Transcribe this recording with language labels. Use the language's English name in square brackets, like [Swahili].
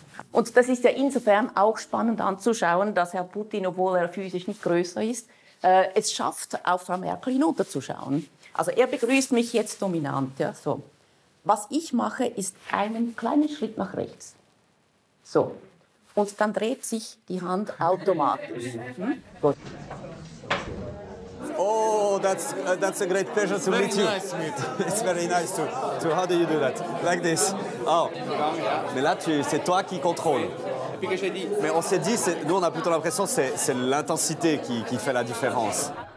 [German] Und das ist ja insofern auch spannend anzuschauen, dass Herr Putin, obwohl er physisch nicht größer ist, es schafft, auf Frau Merkel hinunterzuschauen. Also er begrüßt mich jetzt dominant. Ja, so. Was ich mache, ist einen kleinen Schritt nach rechts. So. Und dann dreht sich die Hand automatisch. Gut. [English] Oh, that's a great pleasure to meet you. Nice meet you. It's very nice to. So how do you do that? Like this. Oh. [French] Mais là, c'est toi qui contrôle. Et puis que j'ai dit. Mais on s'est dit, nous on a plutôt l'impression que c'est l'intensité qui fait la différence.